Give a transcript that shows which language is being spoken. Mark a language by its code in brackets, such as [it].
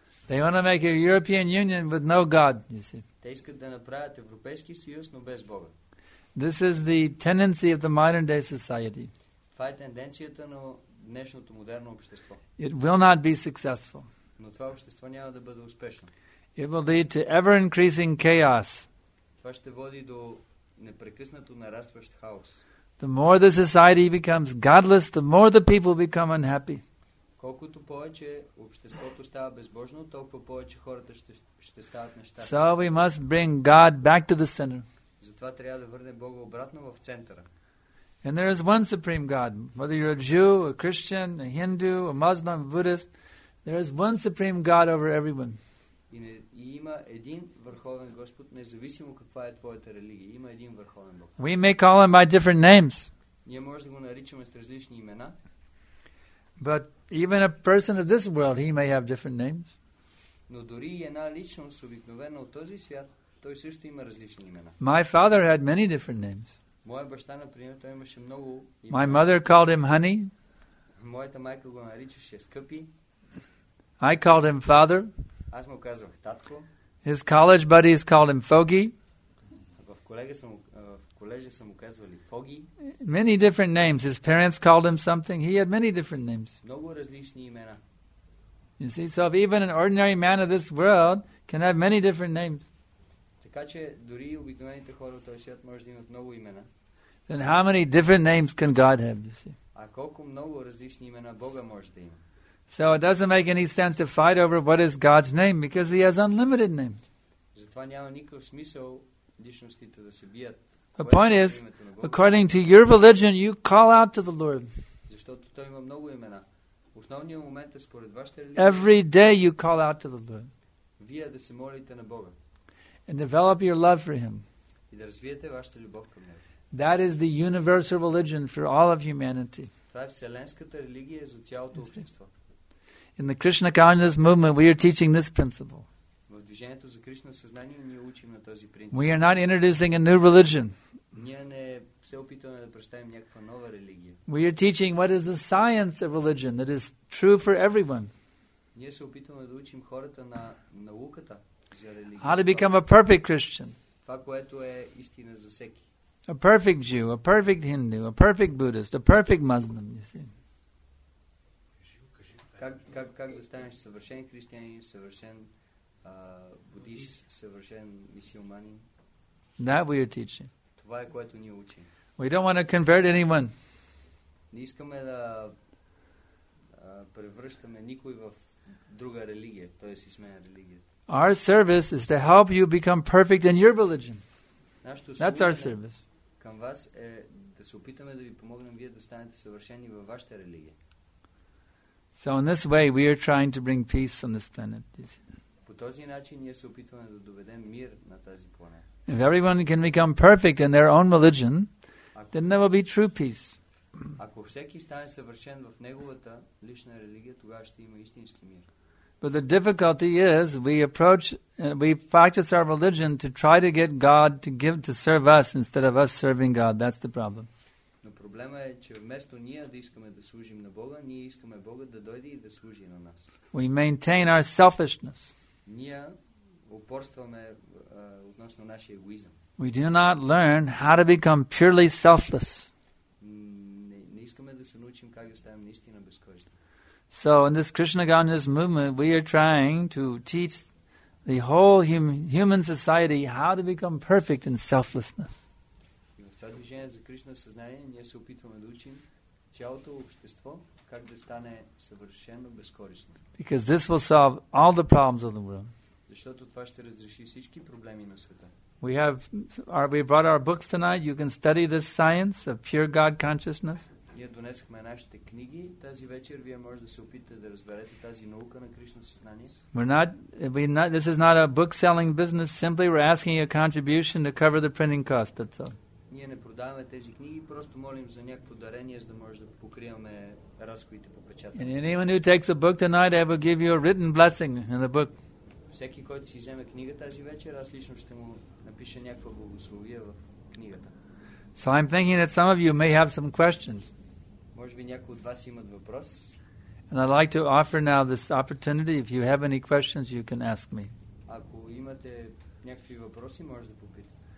[en] They want to make a European Union with no God, you see. [bg] Те искат да направят Европейски съюз, но без Бога. [en] This is the tendency of the modern day society. [bg] Това е тенденцията на днешното модерно общество. [en] It will not be successful. [bg] Но това общество няма да бъде успешно. [en] It will lead to ever-increasing chaos. [bg] Това ще води до непрекъснато нарастващ хаос. [en] The more the society becomes godless, the more the people become unhappy. [bg] Колкото повече обществото става безбожно, толкова повече хората ще стават нещастни. [en] So we must bring God back to the center. [bg] Затова трябва да върнем Бога обратно в центъра. [en] And there is one supreme God. Whether you're a Jew, a Christian, a Hindu, a Muslim, a Buddhist, there is one supreme God over everyone. [bg] И има един върховен Господ, независимо каква е твоята религия. Има един върховен Бог. [en] We may call him by different names. [bg] Ние може да го наричаме с различни имена. [en] But even a person of this world, he may have different names. [bg] Но дори и една личност, обикновена от този свят, той също има различни имена. [en] My father had many different names. [bg] Моя баща, например, той имаше много имена. [en] My mother called him honey. [bg] Моята майка го наричаше скъпи. [en] I called him father. [bg] Аз му казвах татко. [en] His college buddies called him Foggy. [bg] В колежа са му казвали Фоги. [en] Many different names. His parents called him something. He had many different names. [bg] Много различни имена. [en] You see, so if even an ordinary man of this world can have many different names. [bg] Така че дори обикновените хора в този свят може да имат много имена. [en] Then how many different names can God have, you see? [bg] А колко много различни имена Бога може да има? [en] So it doesn't make any sense to fight over what is God's name because he has unlimited names. [bg] Затова няма никакъв смисъл личностите да се бият. [en] The point is, according to your religion, you call out to the Lord. [bg] Защото той има много имена. Основният момент е според вашата религия. [en] Every day you call out to the Lord. [bg] Вие да се молите на Бога. [en] And develop your love for him. [bg] И да развиете вашата любов към него. [en] That is the universal religion for all of humanity. [bg] Това е вселенската религия за цялото общество. [en] In the Krishna Consciousness Movement, we are teaching this principle. [bg] В движението за Кришна съзнание ние учим на този принцип. [en] We are not introducing a new religion. [bg] Ние не се опитваме да представим някаква нова религия. [en] We are teaching what is the science of religion that is true for everyone. [bg] Ние се опитваме да учим хората на науката за религия. [en] How to become a perfect Christian. [bg] Това, което е истина за всеки. [en] A perfect Jew, a perfect Hindu, a perfect Buddhist, a perfect Muslim, you see. [bg] Как да станеш съвършен християнин, съвършен будист, съвършен мюсюлманин? [en] That we are teaching. [bg] Това е което ние учим. [en] We don't want to convert anyone. [bg] Не искаме да превръщаме никой в друга религия, т.е. си сменя религията. [en] Our service is to help you become perfect in your religion. [bg] Нашето служение. [en] That's our service. [bg] Към вас е да се опитаме да ви помогнем вие да станете съвършени във вашата религия. [en] So in this way we are trying to bring peace on this planet. [bg] По този начин ние се опитваме да доведем мир на тази планета. [en] If everyone can become perfect in their own religion, then there will be true peace. [bg] Ако всеки стане съвършен в неговата лична религия, тогава ще има истински мир. [en] But the difficulty is we practice our religion to try to get God to serve us instead of us serving God. That's the problem. [bg] Но проблема е, че вместо ние да искаме да служим на Бога, ние искаме Бога да дойде и да служи на нас. [en] We maintain our selfishness. [bg] Ние упорстваме относно нашия егоизъм. [en] We do not learn how to become purely selfless. [bg] Не искаме да се научим как да ставим наистина безкористни. [en] So in this Krishna Consciousness Movement, we are trying to teach the whole human society how to become perfect in selflessness. [bg] Това движение за Кришна съзнание, ние се опитваме да учим цялото общество как да стане съвършено безкорисно. [en] Because this will solve all the problems of the world. [bg] Защото това ще разреши всички проблеми на света. [en] We brought our books tonight. You can study this science of pure God consciousness. [bg] Ние донесохме нашите книги. Тази вечер вие може да се опитате да разберете тази наука на Кришна съзнание. [en] This is not a book-selling business. Simply we're asking a contribution to cover the printing cost. That's all. [bg] Ние не продаваме тези книги, просто молим за някакво дарение, за да може да покриваме разходите по печатане. Всеки, който си вземе книга тази вечер, аз лично ще му напиша някаква благословия в книгата. [en] So I'm thinking that some of you may have some questions. [bg] Може би някои от вас имат въпрос. [en] And I'd like to offer now this opportunity. If you have any questions, you can ask me. [bg] Ако имате някакви въпроси, може да попитате.